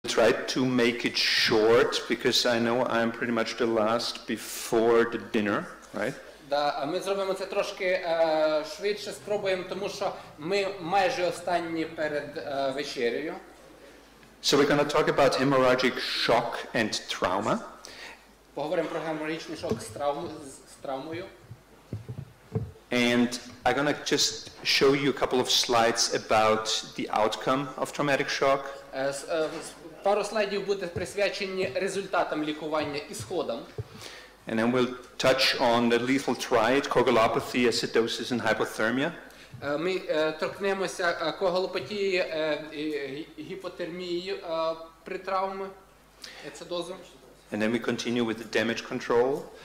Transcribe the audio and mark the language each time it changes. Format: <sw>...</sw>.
<en>tried to make it short because I know I'm pretty much the last before the dinner, right?</en> <uk>Да, ми зробимо це трошки швидше, спробуємо, тому що ми майже останні перед вечерею.</uk> <en>So we're going to talk about hemorrhagic shock and trauma.</en> <uk>Поговоримо про геморагічний шок з травмою.</uk> <en>And I'm going to just show you a couple of slides about the outcome of traumatic shock.</en> <uk>Пару слайдів буде присвячені результатам лікування і сходам.</uk> <en>And then we'll touch on the lethal triad, coagulopathy, acidosis, and hypothermia.</en> <uk>Ми торкнемося коагулопатії, гіпотермії при травмі, ецидозу.</uk> <en>And then we continue with the damage control.</en>